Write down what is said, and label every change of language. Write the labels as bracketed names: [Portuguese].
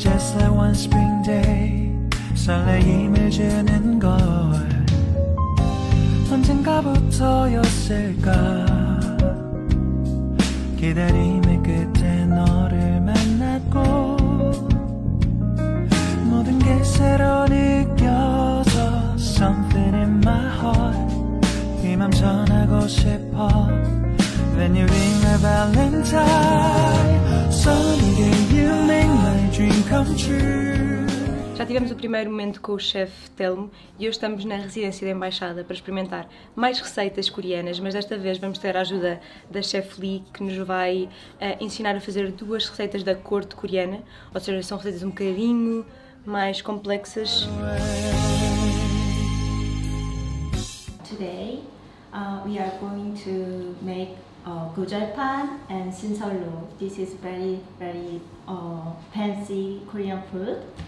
[English] just that one spring day. [Korean] 설레임을 주는 걸 언젠가부터였을까. 기다림의 끝에 너를 만났고 모든 게 새로 느껴져. [English] Something in my heart [Korean] 이 맘 전하고 싶어. [English] Then you ring my valentine. Someday you make my dream come true. [Portuguese] Já tivemos o primeiro momento com o chef Telmo e hoje estamos na residência da embaixada para experimentar mais receitas coreanas, mas desta vez vamos ter a ajuda da chef Lee, que nos vai ensinar a fazer duas receitas da corte coreana, ou seja, são receitas um bocadinho mais complexas. [English] Today we are going to make gojalpan and sinsollo. This is very very fancy Korean food.